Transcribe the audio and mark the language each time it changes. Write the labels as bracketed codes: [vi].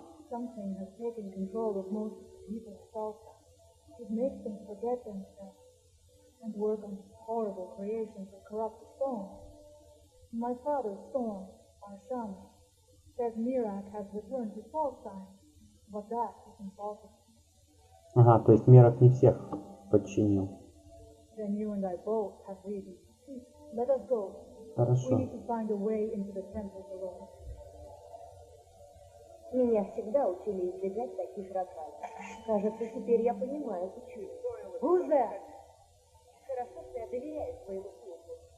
[en] Something has taken control of most people's thoughts. It makes them forget themselves and work on horrible creations that corrupt the storm. My father, Storm, our shaman, says Mirak has returned to Falstein, but that is impossible. [ru] Ага, то есть Мирак не всех подчинил. [en] Then you and I both have reasons. Let us go. [ru] Хорошо. [en] We need to find a way into the temple below. [ru] Меня всегда учили избегать таких ротвайлов. Кажется, теперь я понимаю, почему. [en] Who's there? [ru] Хорошо, что я доверяю своему слуху.